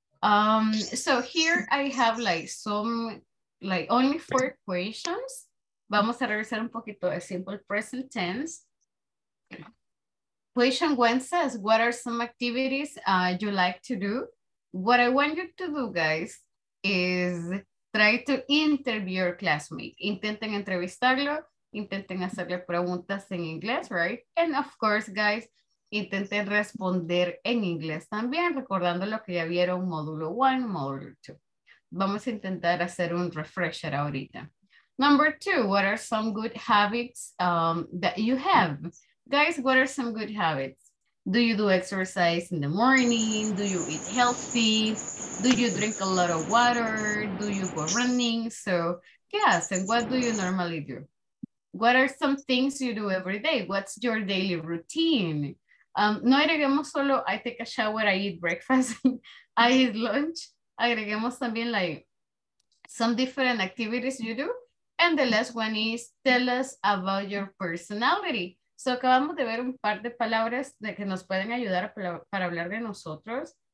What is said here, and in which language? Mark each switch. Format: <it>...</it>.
<en>So here I have like some, like only 4 questions.</en> <es>Vamos a revisar un poquito de simple present tense.</es> <en>Question 1 says, what are some activities you like to do? What I want you to do, guys, is try to interview your classmate.</en> <es>Intenten entrevistarlo, intenten hacerle preguntas en inglés, right?</es> <en>And of course,</en> <es>guys, intenten responder en inglés también, recordando lo que ya vieron módulo 1, módulo 2. Vamos a intentar hacer un refresher ahorita.</es> <en>Number 2, what are some good habits that you have? Guys, what are some good habits? Do you do exercise in the morning? Do you eat healthy? Do you drink a lot of water? Do you go running? So, yes, and what do you normally do? What are some things you do every day? What's your daily routine?</en> <es>No agreguemos solo,</es> <en>I take a shower, I eat breakfast, I eat lunch.</en> <es>Agreguemos también</es> <en>like some different activities you do. And the last one is tell us about your personality.</en> <es>So acabamos de ver un par de palabras de que nos pueden ayudar para hablar de nosotros.</es>